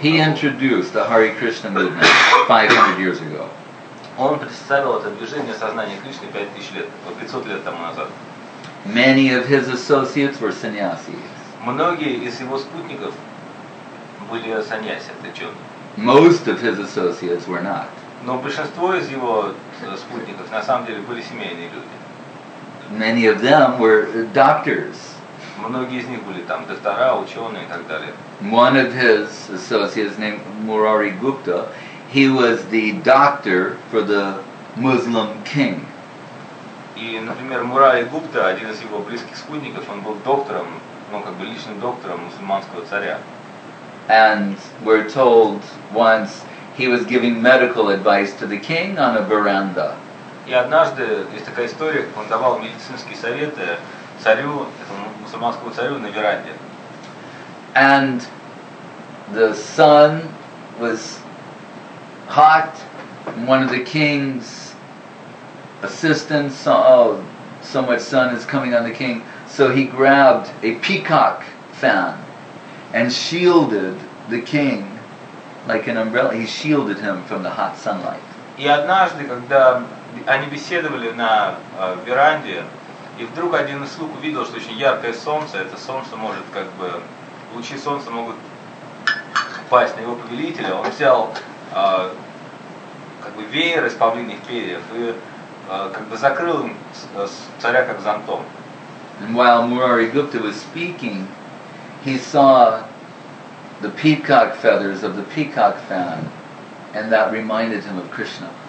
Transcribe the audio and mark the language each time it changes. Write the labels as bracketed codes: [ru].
[en] He introduced the Hare Krishna movement 500 years ago. [ru] Он представил это движение сознания Кришны 5000 лет, 500 лет тому назад. [en] Many of his associates were sannyasis. [ru] Многие из его спутников были саньяси, отречённые. [en] Most of his associates were not. [ru] Но большинство из его спутников на самом деле были семейные люди. [en] Many of them were doctors. [ru] Многие из них были там доктора, учёные и так далее. [en] One of his associates named Murari Gupta, he was the doctor for the Muslim king. [ru] И, например, Мурари Гупта, один из его близких спутников, он был доктором, ну, как бы личным доктором мусульманского царя. [en] And we're told once he was giving medical advice to the king on a veranda. [ru] И однажды, есть такая история, как он давал медицинские советы царю, этому мусульманскому царю на веранде. [en] And the sun was hot, one of the king's assistant saw, oh, so much sun is coming on the king, so he grabbed a peacock fan and shielded the king like an umbrella. He shielded him from the hot sunlight. [ru] И однажды, когда они беседовали на веранде, и вдруг один из слуг увидел, что очень яркое солнце, это солнце может как бы, лучи солнца могут упасть на его повелителя, он взял как бы веер из павлиньих перьев и как бы закрыл им царя как зонтом. [en] And while Murari Gupta was speaking, he saw the peacock feathers of the peacock fan, and that reminded him of Krishna.